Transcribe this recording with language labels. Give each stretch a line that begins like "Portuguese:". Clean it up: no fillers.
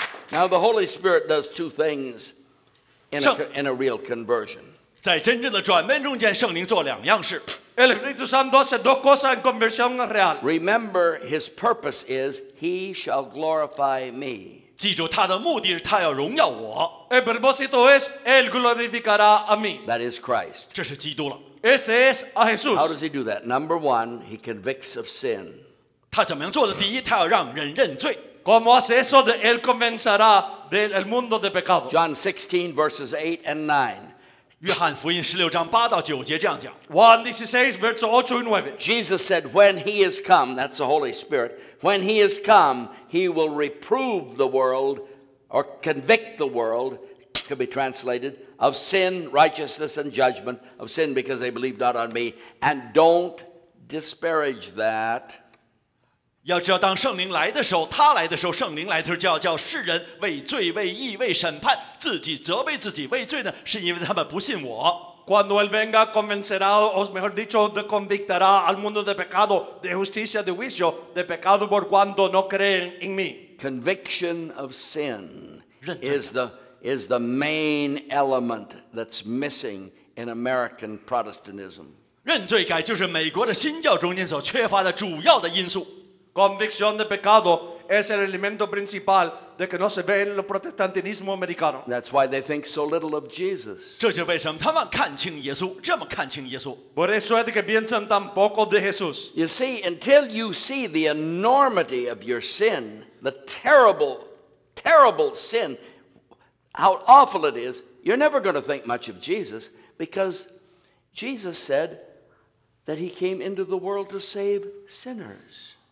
English: Now the Holy Spirit does two things in a real conversion.
Chinese: 在真正的转变中间，圣灵做两样事。
Spanish: El Espíritu Santo hace dos cosas en conversión real.
English: Remember, His purpose is He shall glorify Me.
Chinese: 记住他的目的是他要荣耀我。
Spanish: El propósito es él glorificará a mí.
English: That is Christ.
Chinese: 这是基督了。
Spanish: Ese es a Jesús.
English: How does he do that? Number one, he convicts of sin.
Chinese: 他怎么样做的？第一，他要让人认罪。
Spanish: Cómo hace eso de él convencerá del mundo de pecado.
English: John 16 verses 8 and 9.
Chinese: 约翰福音16章8到9节这样讲。
Spanish: Juan 16
English: verses 8 and 9. Jesus said, "When he is come," that's the Holy Spirit. When he is come. He will reprove the world, or convict the world, could be translated, of sin, righteousness, and judgment, of sin because they believe not on me. And don't disparage that.
Chinese: 要知道当圣灵来的时候，他来的时候，圣灵来的时候就要叫世人为罪、为义、为审判，自己责备自己为罪呢，是因为他们不信我。
Spanish: Cuando él venga, convencerá, o mejor dicho, convictará al mundo de pecado, de justicia, de juicio, de pecado por cuanto no creen en mí.
English: Conviction of sin is the main element that's missing in American Protestantism.
Chinese: 认罪改就是美国的新教中间所缺乏的主要的因素。
Spanish: convicción de pecado es el elemento principal de que no se ve en el protestantismo americano.
English: That's why they think so little of Jesus.
Chinese: 这就为什么他们看清耶稣，这么看清耶稣。
Spanish: Por eso es que piensan tan poco de Jesús.
English: You see, until you see the enormity of your sin, the terrible, terrible sin, how awful it is, you're never going to think much of Jesus, because Jesus said that he came into the world to save sinners.